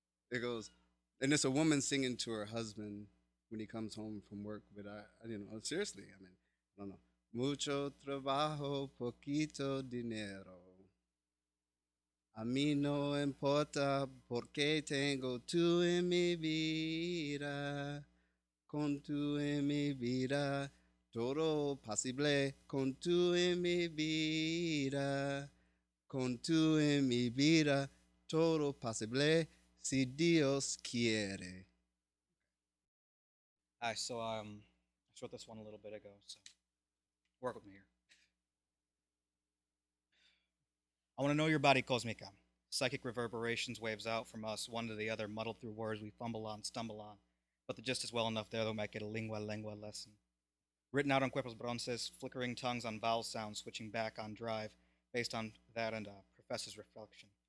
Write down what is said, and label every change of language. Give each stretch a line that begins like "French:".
English: It goes, and it's a woman singing to her husband when he comes home from work. But I don't know.
Spanish: Mucho trabajo, poquito dinero. A mí no importa porque tengo tú en mi vida. Con tú en mi vida, todo posible. Con tú en mi vida, con tú en mi vida, todo posible si Dios quiere.
English: Hi, so I wrote this one a little bit ago, so. Work with me here. I want to know your body cosmica. Psychic reverberations waves out from us, one to the other, muddled through words we fumble on, stumble on. But the gist is well enough there that we might get a lingua lesson. Written out on
Spanish: cuerpos bronces,
English: flickering tongues on vowel sounds, switching back on drive, based on that and a professor's reflection.